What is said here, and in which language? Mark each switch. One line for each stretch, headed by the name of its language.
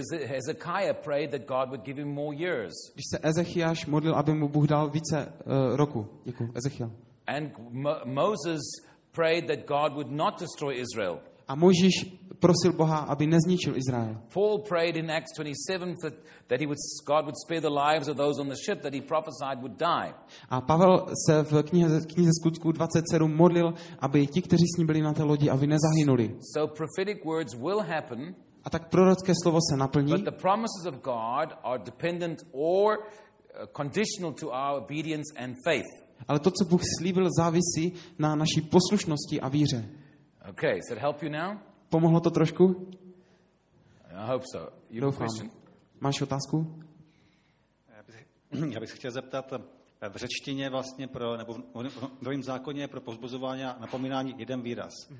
English: Hezekiah prayed that God would give him more years.
Czech: Když se Ezechiáš modlil, aby mu Bůh dal více roku. Děkuji, Ezechiel.
English: And Moses prayed that God would not destroy Israel.
Czech: A Mojžíš prosil Boha, aby nezničil Izrael.
English: Paul prayed in Acts 27 that he would God would spare the lives of those on the ship that he prophesied would die.
Czech: A Pavel se v knize Skutků 27 modlil, aby ti, kteří s ním byli na té lodi, aby nezahynuli.
English: So prophetic words will happen.
Czech: A tak prorocké slovo se naplní.
English: But the promises of God are dependent or conditional to our obedience and faith.
Czech: Ale to, co Bůh slíbil, závisí na naší poslušnosti a víře.
English: Okay, does that help you now?
Czech: Pomohlo to trošku?
English: I hope so. You have a question?
Czech: Máš otázku? Já bych chtěl zeptat, v řečtině vlastně pro, nebo v novém zákoně pro povzbuzování a napomínání jeden výraz.